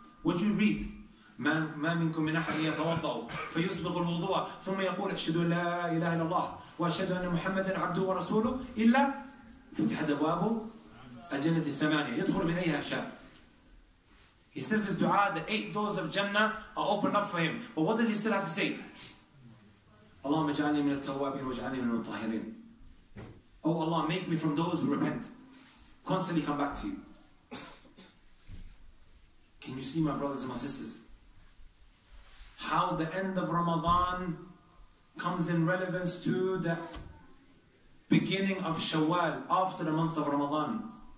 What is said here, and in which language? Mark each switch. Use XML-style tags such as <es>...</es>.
<en>What do you read?</en> <ar>مَا مِنْكُمْ مِنْ أَحَدٍ يَتَوَضَّأُ فَيُسْبِغُ الْوُضُوَى ثُمَّ يَقُولُ أَشْهَدُ أَنْ لَا إِلَهَ إِلَّا اللَّهُ وَأَشْهَدُ أَنَّ مُحَمَّدًا عَبْدُهُ وَرَسُولُهُ إِلَّا فُتِحَتْ أَبْوَابُ الْجَنَّةِ الثَّمَانِيَةِ يَدْخُلُ مِنْ أَيِّهَا شَاءَ.</ar> <en>He says his dua, the eight doors of Jannah are opened up for him. But what does he still have to say?</en> <ar>اللهم اجعلني من التوابين واجعلني من المطهرين.</ar> <en>Oh Allah, make me from those who repent. Constantly come back to you. Can you see, my brothers and my sisters, how the end of Ramadan comes in relevance to the beginning of Shawwal after the month of Ramadan?</en>